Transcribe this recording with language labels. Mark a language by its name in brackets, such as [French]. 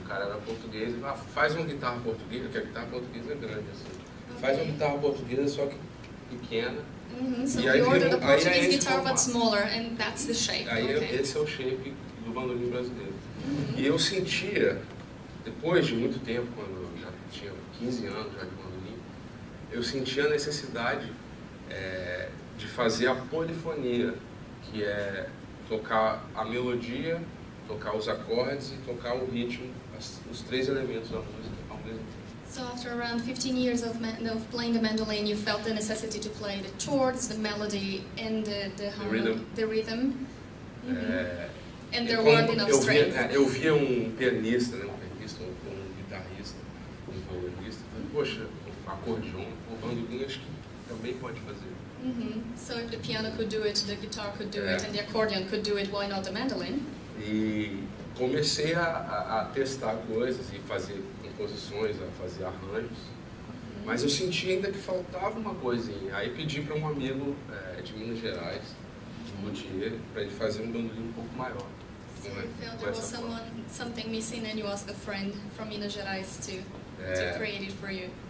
[Portuguese] O cara era português, ele faz uma guitarra portuguesa, porque a guitarra portuguesa é grande, assim. [English] Okay. [Portuguese] Faz uma guitarra portuguesa, só que pequena. [English] Uh-huh. So [Portuguese] e aí, [English] he ordered a Portuguese [Portuguese] aí é [English] guitar, but smaller, and that's the shape. [Portuguese] Aí [English] okay. [Portuguese] Esse é o shape do bandolim brasileiro. Uh-huh. E eu sentia, depois de muito tempo, quando eu já tinha 15 anos já de bandolim, eu sentia a necessidade de fazer a polifonia, que é tocar a melodia, tocar os acordes e tocar o ritmo, os três elementos da música ao mesmo tempo. [English] So after around 15 years of playing the mandolin, you felt the necessity to play the chords, the melody and the rhythm. The rhythm. Mm-hmm. And there weren't enough strings. [Portuguese] Eu via um pianista, um guitarrista, um violinista, falei, poxa, um acordeon, um bandolim, acho que também pode fazer. Mm-hmm. [English] So if the piano could do it, the guitar could do it, and the accordion could do it, why not the mandolin? [Portuguese] E comecei a testar coisas e fazer composições, a fazer arranjos, mas eu senti ainda que faltava uma coisinha. Aí pedi para um amigo de Minas Gerais, de luthier, para ele fazer um bandolim um pouco maior. [English] So you felt there was something missing, and you asked a friend from Minas Gerais to create it for you.